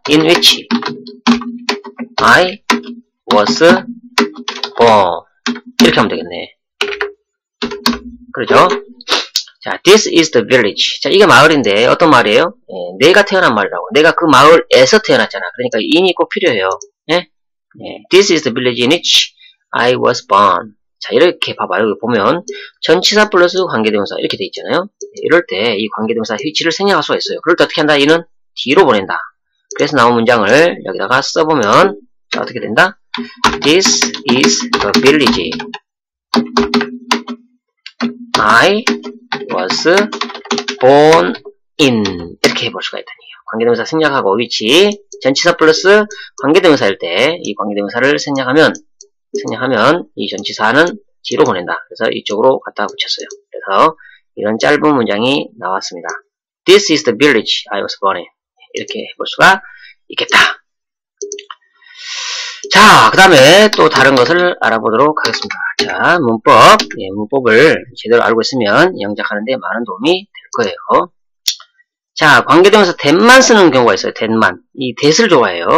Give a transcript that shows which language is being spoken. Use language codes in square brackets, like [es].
[en] In which I was born. [ko] 이렇게 하면 되겠네. 그러죠? [en] 자, this is the village. [ko] 자, 이게 마을인데 어떤 마을이에요? 예, 내가 태어난 마을이라고. 내가 그 마을에서 태어났잖아. 그러니까 in이 꼭 필요해요. 예? [en] 예, this is the village in which I was born. [ko] 자, 이렇게 봐봐요. 여기 보면 전치사 플러스 관계대명사 이렇게 돼 있잖아요. 이럴 때 이 관계대명사 위치를 생략할 수가 있어요. 그럴 때 어떻게 한다? 이는 뒤로 보낸다. 그래서 나온 문장을 여기다가 써보면 자, 어떻게 된다? [en] This is the village I was born in. [ko] 이렇게 해볼 수가 있다니요. 관계대명사 생략하고 위치 전치사 플러스 관계대명사일 때 이 관계대명사를 생략하면 이 전치사는 뒤로 보낸다. 그래서 이쪽으로 갖다 붙였어요. 그래서 이런 짧은 문장이 나왔습니다. [en] This is the village I was born in. [ko] 이렇게 해볼 수가 있겠다. 자, 그 다음에 또 다른 것을 알아보도록 하겠습니다. 자, 문법. 예, 문법을 제대로 알고 있으면 영작하는데 많은 도움이 될 거예요. 자, 관계대명사 that만 쓰는 경우가 있어요. that만. 이 that을 좋아해요.